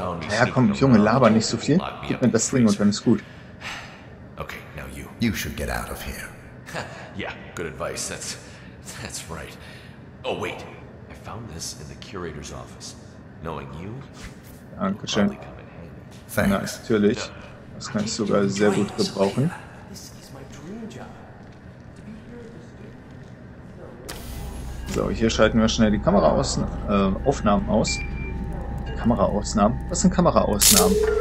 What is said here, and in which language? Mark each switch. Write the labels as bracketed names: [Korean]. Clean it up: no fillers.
[German] Ja, komm, Junge, laber nicht so viel. Gib mir das Ding und dann ist gut. [English] Okay, now you. You should get out of here. Yeah, good advice. That's right. Oh wait, I found this in the curator's office. Knowing you, Dankeschön. Thanks. [German] Na, natürlich. Das kann ich sogar sehr gut gebrauchen. So, hier schalten wir schnell die Kamera aus, Aufnahmen aus. Kameraausnahmen. Was sind Kameraausnahmen?